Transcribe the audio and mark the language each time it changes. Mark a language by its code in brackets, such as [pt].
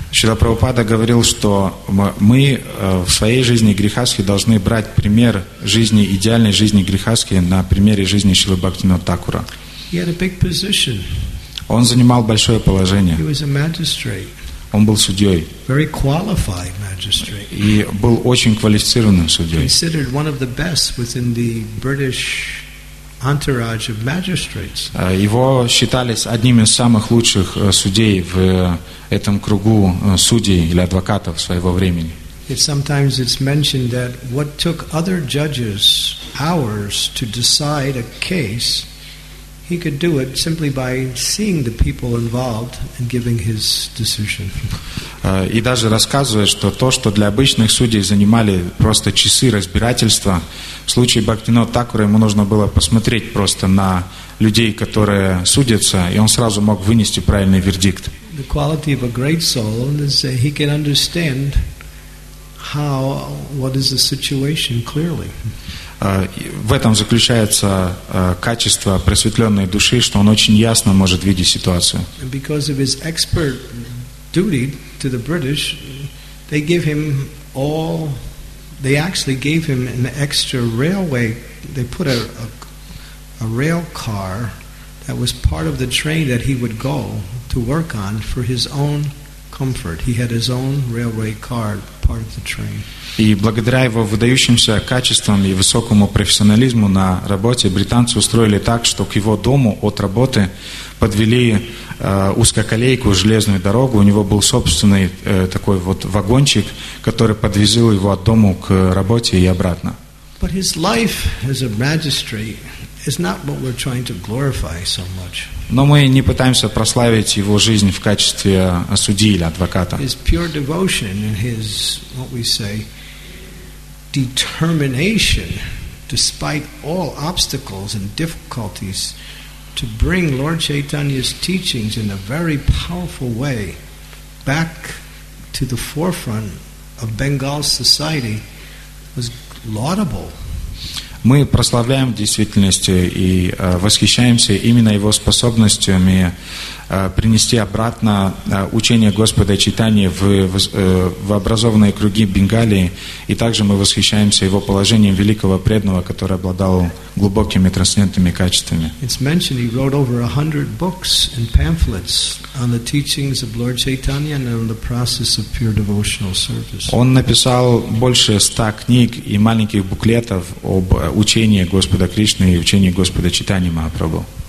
[ru] Шрила Прабхупада говорил, что мы в своей жизни грихасхи должны брать пример жизни, идеальной жизни грихасхи на примере жизни Шрилы Бхактивинода Такура. [en] He had a big position. [ru] Он занимал большое положение. [en] He was a magistrate. [ru] Он был судьей. [en] Very qualified magistrate. [ru] И был очень квалифицированным судьей. [en] Considered one of the best within the British entourage of magistrates. [ru] Его считались одним из самых лучших судей в этом кругу судей или адвокатов своего времени. [en] It sometimes it's mentioned that what took other judges hours to decide a case, he could do it simply by seeing the people involved and giving his decision. [ru] И даже рассказывает, что то, что для обычных судей занимали просто часы разбирательства, в случае Бхактивинода Такура ему нужно было посмотреть просто на людей, которые судятся, и он сразу мог вынести правильный вердикт. [en] The quality of a great soul is that he can understand how what is the situation clearly. [ru] В этом заключается качество просветленной души, что он очень ясно может видеть ситуацию. [en] And because of his expert duty to the British, they give him all. They actually gave him an extra railway. They put a rail car that was part of the train that he would go to work on for his own comfort. He had his own railway car, part of the train. [ru] И благодаря его выдающимся качествам и высокому профессионализму на работе британцы устроили так, что к его дому от работы подвели узкоколейку, железную дорогу. У него был собственный такой вот вагончик, который подвезил его от дома к работе и обратно. [en] But his life as a magistrate is not what we're trying to glorify so much. [ru] Но мы не пытаемся прославить его жизнь в качестве судьи или адвоката. [en] His pure devotion and his, what we say, determination, despite all obstacles and difficulties, to bring Lord Chaitanya's teachings in a very powerful way back to the forefront of Bengal society was laudable. [ru] Мы прославляем в действительности и восхищаемся именно его способностями принести обратно учение Господа Чайтаньи в образованные круги Бенгалии, и также мы восхищаемся его положением великого преданного, который обладал глубокими трансцендентными качествами. [en] It's mentioned he wrote over 100 books and pamphlets on the teachings of Lord Chaitanya and on the process of pure devotional service. [ru] Он написал больше 100 книг и маленьких буклетов об учении Господа Кришны и учении Господа Чайтаньи Махапрабху.